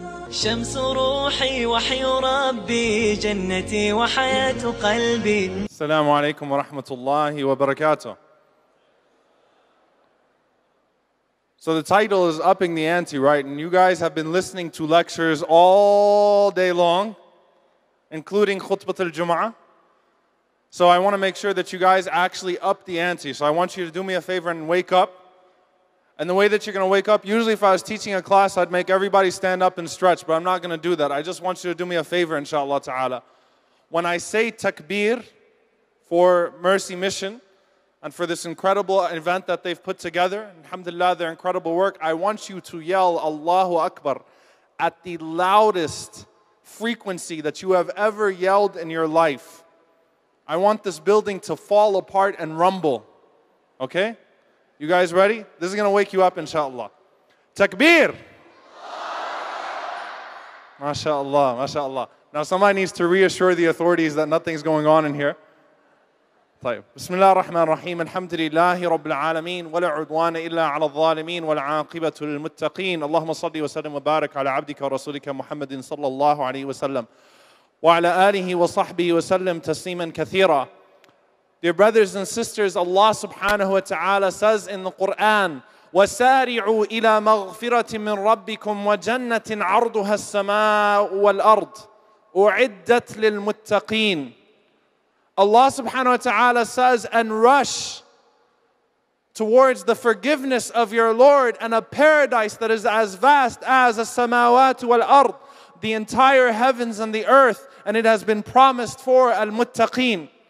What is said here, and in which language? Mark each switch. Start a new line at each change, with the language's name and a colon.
Arabic: شمس روحي وحي ربي جنتي وحياة قلبي. السلام عليكم ورحمة الله وبركاته.
English: So the title is Upping the Ante, right? And you guys have been listening to lectures all day long, including Khutbat al-Jum'ah. So I want to make sure that you guys actually up the ante. So I want you to do me a favor and wake up. And the way that you're going to wake up, usually if I was teaching a class, I'd make everybody stand up and stretch, but I'm not going to do that. I just want you to do me a favor, inshallah ta'ala. When I say takbir for Mercy Mission, and for this incredible event that they've put together, alhamdulillah, their incredible work, I want you to yell Allahu Akbar at the loudest frequency that you have ever yelled in your life. I want this building to fall apart and rumble. Okay? You guys ready? This is going to wake you up, inshallah. Takbir! MashaAllah, MashaAllah. Now somebody needs to reassure the authorities that nothing's going on in here.
Arabic: طيب بسم الله الرحمن الرحيم الحمد لله رب العالمين ولا عدوان إلا على الظالمين والعاقبة للمتقين اللهم صل وسلم وبارك على عبدك ورسولك محمد صلى الله عليه وسلم وعلى آله وصحبه وسلم تسليما كثيرا.
English: Dear brothers and sisters, Allah subhanahu wa ta'ala says in the Quran,
Arabic: وَسَارِعُوا إِلَى مَغْفِرَةٍ مِّن رَبِّكُمْ وَجَنَّةٍ عَرْضُهَا السَّمَاءُ وَالْأَرْضُ أُعِدَّتْ لِلْمُتَّقِينَ.
English: Allah subhanahu wa ta'ala says, and rush towards the forgiveness of your Lord and a paradise that is as vast as a samawat wal ard, the entire heavens and the earth, and it has been promised for al-muttaqeen.